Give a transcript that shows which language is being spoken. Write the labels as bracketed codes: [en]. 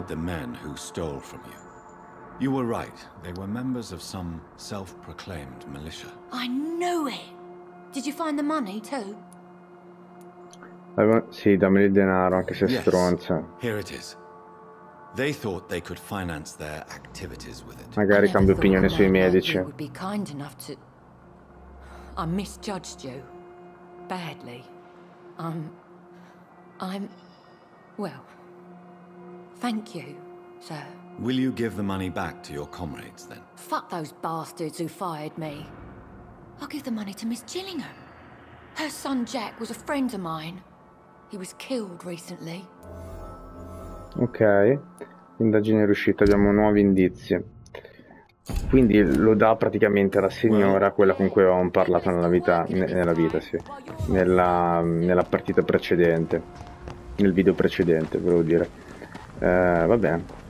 [en] The men who stole from you. You were right. They were members of some self-proclaimed militia. I knew it. Did you find the money too? [it] Sì, dammi il denaro, anche se stronza. [en] Here it is. They thought they could finance their activities with it. [it] Magari cambio opinione sui medici. [en] Would be kind enough to. I misjudged you badly. I'm... well... thank you, sir. Will you give the money back to your comrades, then? Fuck those bastards who fired me. I'll give the money to Miss Gillingham. Her son Jack was a friend of mine. He was killed recently. Ok. [it] L'indagine è riuscita, abbiamo nuovi indizi. Quindi lo dà praticamente alla signora, quella con cui avevamo parlato nella vita... nella vita, sì. Nella partita precedente. Nel video precedente, volevo dire. Vabbè.